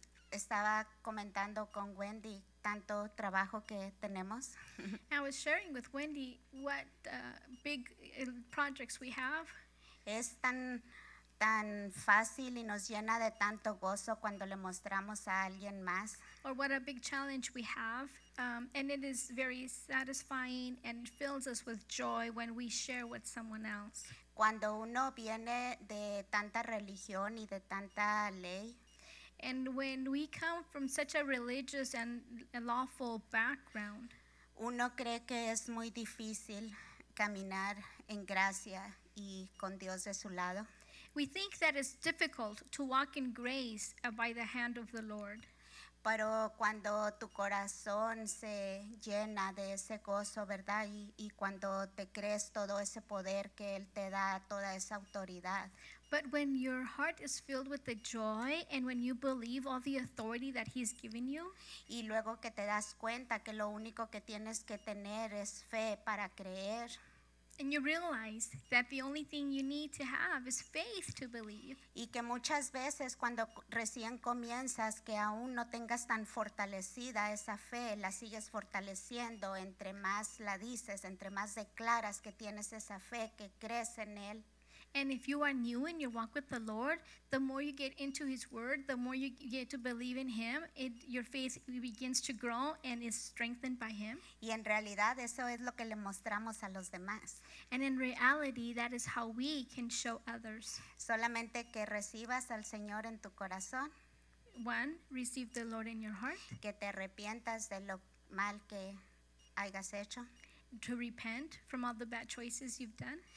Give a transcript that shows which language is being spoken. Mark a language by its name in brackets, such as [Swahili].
[Spanish] Estaba comentando con Wendy tanto trabajo que tenemos. [English] I was sharing with Wendy what big projects we have. [Spanish] Es tan fácil y nos llena de tanto gozo cuando le mostramos a alguien más. [English] Or what a big challenge we have, and it is very satisfying and fills us with joy when we share with someone else. [Spanish] Cuando uno viene de tanta religión y de tanta ley. [English] And when we come from such a religious and a lawful background, [Spanish] uno cree que es muy difícil caminar en gracia y con Dios de su lado. [English] We think that it's difficult to walk in grace by the hand of the Lord. [Spanish] Pero cuando tu corazón se llena de ese gozo, ¿verdad? Y cuando te crees todo ese poder que Él te da, toda esa autoridad. [English] But when your heart is filled with the joy and when you believe all the authority that He's given you, [Spanish] y luego que te das cuenta que lo único que tienes que tener es fe para creer, [English] and you realize that the only thing you need to have is faith to believe. [Spanish] Y que muchas veces cuando recién comienzas que aún no tengas tan fortalecida esa fe, la sigues fortaleciendo entre más la dices, entre más declaras que tienes esa fe, que crees en Él. [English] And if you are new in your walk with the Lord, the more you get into His word, the more you get to believe in Him, your faith begins to grow and is strengthened by Him. [Spanish] Y en realidad eso es lo que le mostramos a los demás. [English] And in reality, that is how we can show others. [Spanish] Solamente que recibas al Señor en tu corazón. [English] One, receive the Lord in your heart. [Spanish] Que te arrepientas de lo mal que hayas hecho. [English] To repent from all the bad choices you've done.